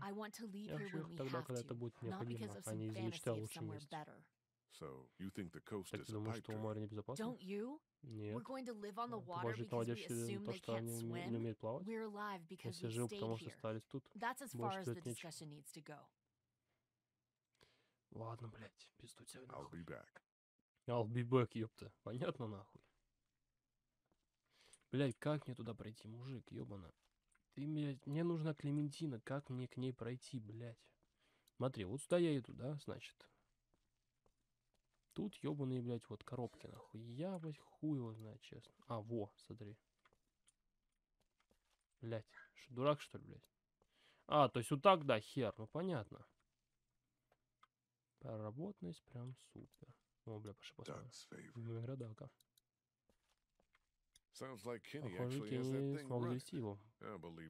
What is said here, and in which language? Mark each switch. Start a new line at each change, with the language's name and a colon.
English: I want to leave here when we have to, not because of some fantasy of somewhere better. So, you think the coast is a pipe dream? Don't you?
Russian: Нет.
English: We're going to live on the water because we assume they can't swim? We're alive because we stayed here. That's as far as the discussion needs to go.
Russian: Ладно, блядь, пизду тебя, нахуй.
English: I'll be back. I'll be back,
Russian: ёпта. Понятно, нахуй. Блядь, как мне туда пройти, мужик, ёбана? Ты мне, мне нужна Клементина, как мне к ней пройти, блядь? Смотри, вот сюда я иду, да, значит. Тут, ёбаные, блядь, вот коробки, нахуй. Я, блядь, хуй его знает, честно. А, во, смотри. Блядь, что, дурак, что ли, блядь? А, то есть вот так, да, хер, ну понятно. Проработанность прям супер. О, бля, пошли посмотрим. Игра, да, как?
English: Sounds like Kenny actually has that thing right.